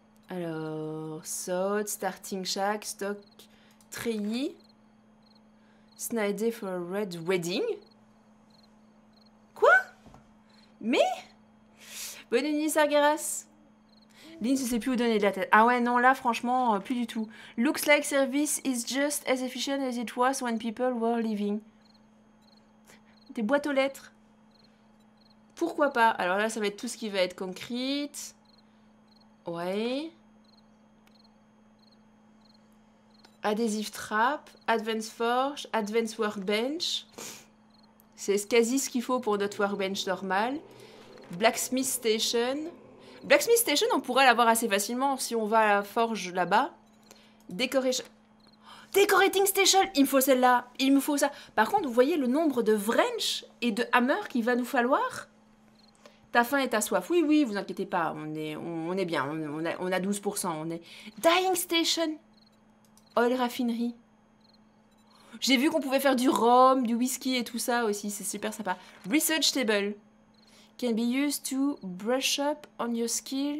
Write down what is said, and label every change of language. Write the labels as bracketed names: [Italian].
[French] Alors, saute, starting shack, stock, treillis, snider for red wedding. Mais! Bonne nuit, Sargeras! Lynn ne sait plus où donner de la tête. Ah ouais, non, là, franchement, plus du tout. [English] Looks like service is just as efficient as it was when people were leaving. [French] Des boîtes aux lettres. Pourquoi pas? Alors là, ça va être tout ce qui va être concrete. Ouais. [English] Adhésif trap, advance forge, advance workbench. [French] C'est quasi ce qu'il faut pour notre workbench normal. Blacksmith station. Blacksmith station, on pourrait l'avoir assez facilement si on va à la forge là-bas. Décoration. Decorating station! Il me faut celle-là! Il me faut ça! Par contre, vous voyez le nombre de wrench et de hammer qu'il va nous falloir? Ta faim et ta soif. Oui, vous inquiétez pas, on est bien. On a 12%. On est. [English] Dyeing station! Oil raffinerie. [French] J'ai vu qu'on pouvait faire du rhum, du whisky et tout ça aussi. C'est super sympa. Research table. [English] Can be used to brush up on your skill.